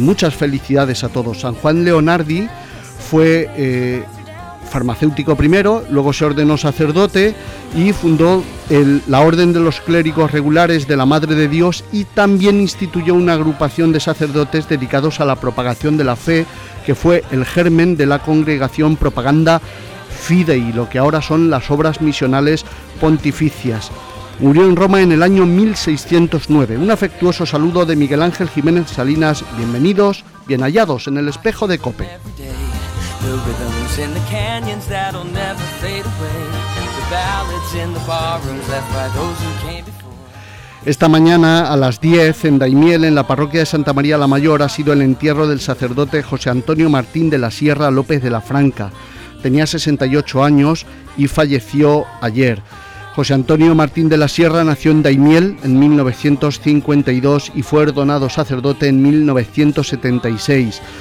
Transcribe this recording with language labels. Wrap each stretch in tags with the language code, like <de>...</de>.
<es>Muchas felicidades a todos. San Juan Leonardi fue farmacéutico primero, luego se ordenó sacerdote y fundó la Orden de los Clérigos Regulares de la Madre de Dios, y también instituyó una agrupación de sacerdotes dedicados a la propagación de la fe, que fue el germen de la congregación Propaganda Fidei, lo que ahora son las Obras Misionales Pontificias. Murió en Roma en el año 1609. Un afectuoso saludo de Miguel Ángel Jiménez Salinas. Bienvenidos, bien hallados en El Espejo de COPE.</es> <en>The rhythms in the canyons that'll never fade away. The ballads in the barrooms left by those who came before.</en> <es>Esta mañana a las 10 en Daimiel, en la parroquia de Santa María la Mayor, ha sido el entierro del sacerdote José Antonio Martín de la Sierra López de la Franca. Tenía 68 años y falleció ayer. José Antonio Martín de la Sierra nació en Daimiel en 1952 y fue ordenado sacerdote en 1976.</es>